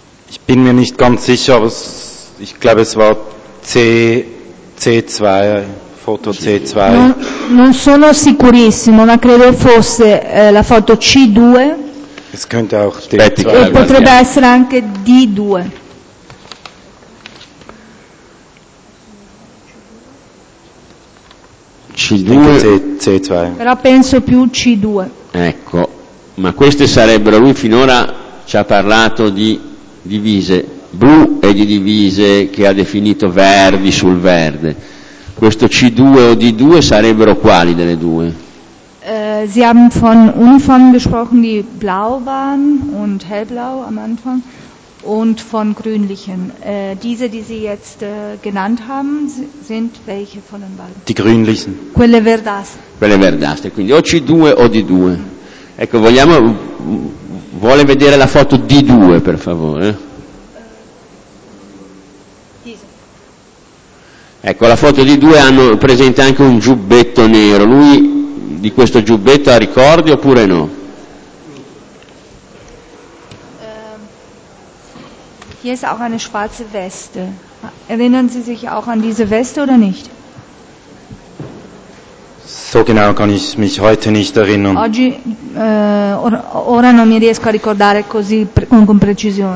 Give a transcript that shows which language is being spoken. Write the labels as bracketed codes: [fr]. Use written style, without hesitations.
[de] Ich bin mir nicht ganz sicher, aber ich glaube, es war C2, foto C2. [it] Non sono sicurissimo, ma credo fosse la foto C2. [de] Es könnte auch D2. [it] E potrebbe essere anche D2. C2. C2. Però penso più C2. Ecco, ma queste sarebbero, lui finora ci ha parlato di divise blu e di divise che ha definito verdi sul verde. Questo C2 o D2 sarebbero quali delle due? [de] Sie haben von Uniformen gesprochen, die blau waren und hellblau am Anfang und von grünlichen. Diese, die Sie jetzt genannt haben, sind welche von den beiden? Die grünlichen. [it] Quelle verdastre. Quelle verdastre, quindi o C2 o D2. Ecco, vogliamo, vuole vedere la foto D2, per favore? Ecco, la foto di due hanno presente anche un giubbetto nero. Lui di questo giubbetto ha ricordi oppure no? [de] Hier ist auch eine schwarze Weste. Erinnern Sie sich auch an diese Weste oder nicht? So genau kann ich mich heute nicht erinnern. [it] Oggi ora non mi riesco a ricordare così con precisione.